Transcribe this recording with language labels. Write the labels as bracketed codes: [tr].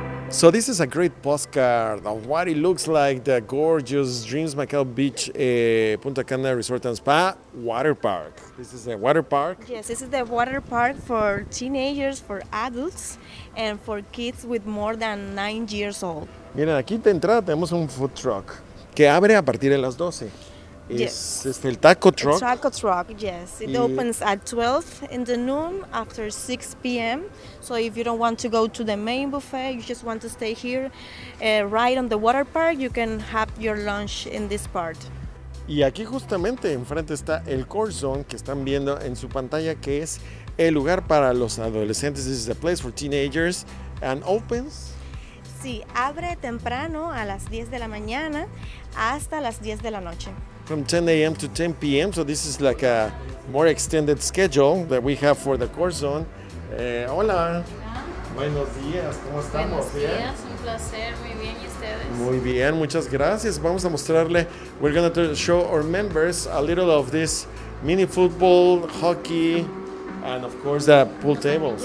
[en] So this is a great postcard of what it looks like, the gorgeous Dreams Macau Beach Punta Cana Resort and Spa Water Park. This is the water park? Yes, this is the water park for teenagers, for adults, and for kids with more than 9 years old. [es] Miren, aquí de entrada tenemos un food truck que abre a partir de las 12. [en] Yes. [es] Es el taco truck. [en] The taco truck, yes. It opens at 12 in the noon after 6 p.m. So if you don't want to go to the main buffet, you just want to stay here right on the water park, you can have your lunch in this part. [es] Y aquí justamente enfrente está el core zone que están viendo en su pantalla, que es el lugar para los adolescentes. [en] This is the place for teenagers and opens. [es] Sí, abre temprano a las 10 de la mañana hasta las 10 de la noche. [en] From 10 a.m. to 10 p.m., so this is like a more extended schedule that we have for the core zone. [es] Hola. Buenos días, ¿cómo estamos? Buenos días, un placer, muy bien, ¿y ustedes? Muy bien, muchas gracias. Vamos a mostrarle, [en] we're going to show our members a little of this mini football, hockey, and of course the pool tables.